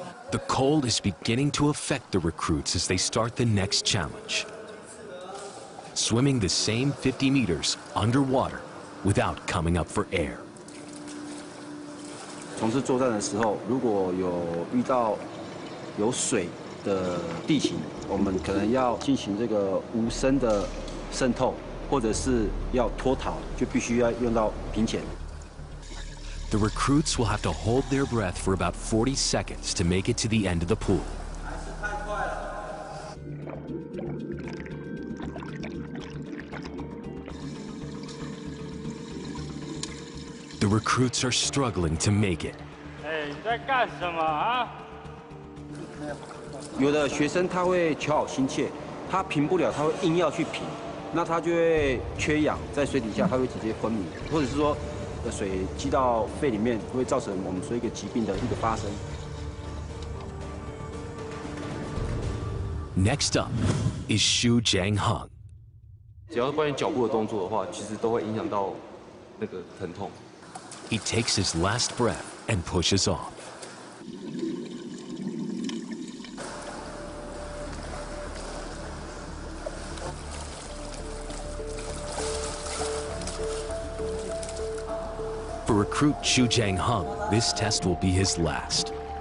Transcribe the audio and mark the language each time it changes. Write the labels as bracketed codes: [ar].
[en] The cold is beginning to affect the recruits as they start the next challenge. Swimming the same 50 meters underwater without coming up for air. [zh] 从事作战的时候，如果有遇到有水的地形，我们可能要进行这个无声的。渗透，或者是要脱逃，就必须要用到平潜。 [en] The recruits will have to hold their breath for about 40 seconds to make it to the end of the pool. [zh] 太快了。 [en] The recruits are struggling to make it. [zh] 哎，你在干什么啊？有的学生他会求好心切，他平不了，他会硬要去平。那他就会缺氧，在水底下他会直接昏迷，或者是说，水积到肺里面，会造成我们说一个疾病的一个发生。 [en] Next up is Xu Changhong。 [zh] 只要关于脚步的动作的话，其实都会影响到那个疼痛。 [en] He takes his last breath and pushes off. For recruit Xu Changhong, this test will be his last.